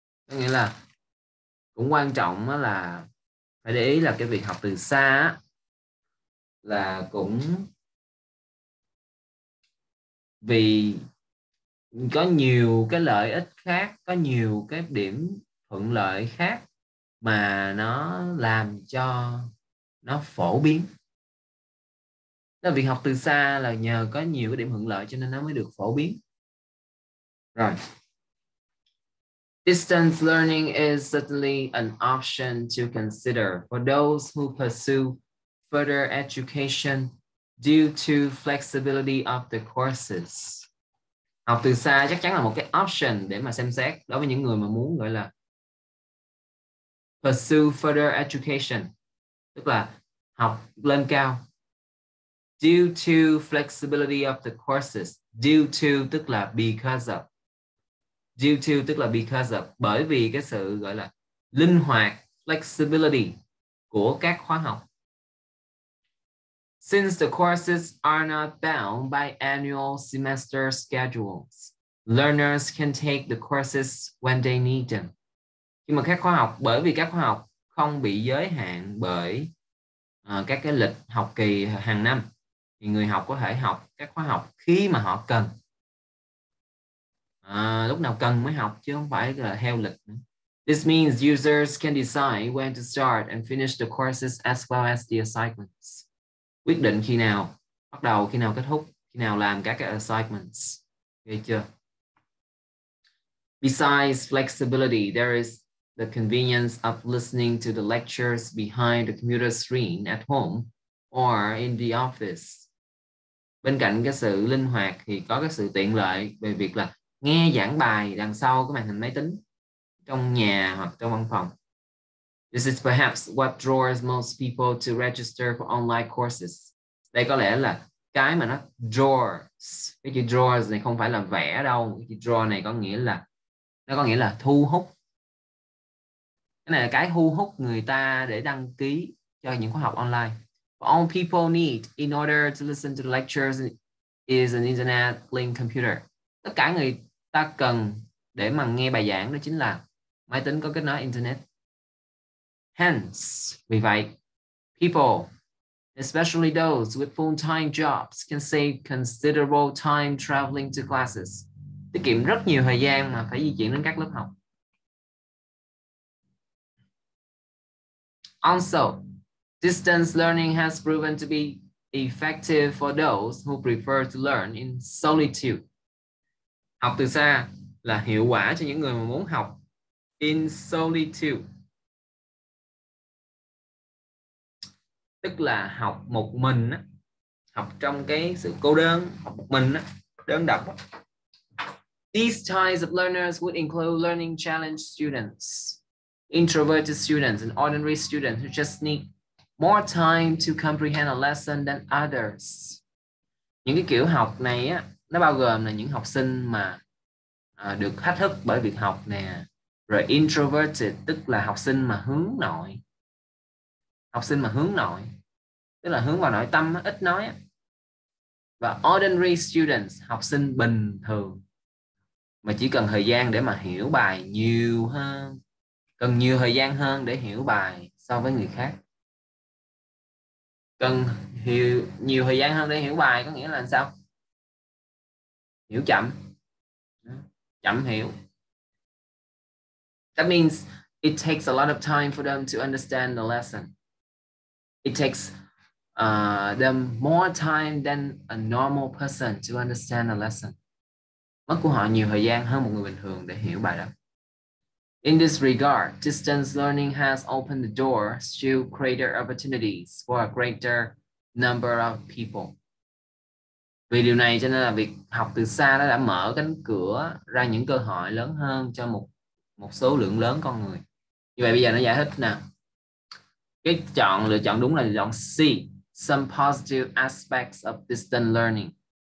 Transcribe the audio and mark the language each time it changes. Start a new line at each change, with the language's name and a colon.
Vietnamese: Có nghĩa là cũng quan trọng là phải để ý là cái việc học từ xa là cũng vì có nhiều cái lợi ích khác, có nhiều cái điểm thuận lợi khác mà nó làm cho nó phổ biến. Là việc học từ xa là nhờ có nhiều cái điểm thuận lợi cho nên nó mới được phổ biến. Rồi.
English: Distance learning is certainly an option to consider for those who pursue further education due to flexibility of the courses.
Vietnamese: Học từ xa chắc chắn là một cái option để mà xem xét đối với những người mà muốn gọi là
English: pursue further education,
Vietnamese: tức là học lên cao.
English: Due to flexibility of the courses. Due to
Vietnamese: tức là
English: because of. Due to
Vietnamese: tức là
English: because of.
Vietnamese: Bởi vì cái sự gọi là linh hoạt, flexibility của các khóa học.
English: Since the courses are not bound by annual semester schedules, learners can take the courses when they need them.
Vietnamese: Nhưng mà các khóa học, bởi vì các khóa học không bị giới hạn bởi các cái lịch học kỳ hàng năm, thì người học có thể học các khóa học khi mà họ cần. Lúc nào cần mới học chứ không phải là theo lịch.
English: This means users can decide when to start and finish the courses as well as the assignments.
Vietnamese: Quyết định khi nào bắt đầu, khi nào kết thúc, khi nào làm các cái assignments. Nghe chưa?
English: Besides flexibility, there is the convenience of listening to the lectures behind the computer screen at home or in the office.
Vietnamese: Bên cạnh cái sự linh hoạt thì có cái sự tiện lợi về việc là nghe giảng bài đằng sau cái màn hình máy tính, trong nhà hoặc trong văn phòng.
English: This is perhaps what draws most people to register for online courses.
Vietnamese: Đây có lẽ là cái mà nó draws. Cái chữ draws này không phải là vẽ đâu. Cái chữ draw này có nghĩa là, nó có nghĩa là thu hút. Cái này là cái thu hút người ta để đăng ký cho những khóa học online.
English: All people need in order to listen to the lectures is an internet link computer.
Vietnamese: Tất cả người ta cần để mà nghe bài giảng đó chính là máy tính có kết nối internet.
English: Hence,
Vietnamese: vì vậy,
English: people, especially those with full-time jobs, can save considerable time traveling to classes.
Vietnamese: Tiết kiệm rất nhiều thời gian mà phải di chuyển đến các lớp học.
English: Also, distance learning has proven to be effective for those who prefer to learn in solitude.
Vietnamese: Học từ xa là hiệu quả cho những người mà muốn học
English: in solitude.
Vietnamese: Tức là học một mình, học trong cái sự cô đơn, học một mình, đơn độc.
English: These types of learners would include learning challenge students, introverted students, and ordinary students who just need more time to comprehend a lesson than others.
Vietnamese: Những cái kiểu học này á, nó bao gồm là những học sinh mà được thách thức bởi việc học nè, rồi introverted tức là học sinh mà hướng nội, học sinh mà hướng nội tức là hướng vào nội tâm, ít nói á, và
English: ordinary students,
Vietnamese: học sinh bình thường mà chỉ cần thời gian để mà hiểu bài nhiều hơn, cần nhiều thời gian hơn để hiểu bài so với người khác. Cần hiểu nhiều thời gian hơn để hiểu bài có nghĩa là sao? Hiểu chậm. chẳng hiểu.
English: That means it takes a lot of time for them to understand the lesson. It takes them more time than a normal person to understand the lesson.
Vietnamese: Mất của họ nhiều thời gian hơn một người bình thường để hiểu bài đó. In this regard, distance learning has opened the door to greater opportunities for a greater number of people. Vì điều này cho nên là việc học từ xa đã mở cánh cửa ra những cơ hội lớn hơn cho một số lượng lớn con người. Như vậy bây giờ nó giải thích nè. Cái chọn lựa chọn đúng là lựa chọn C,
English: some positive aspects of distance learning.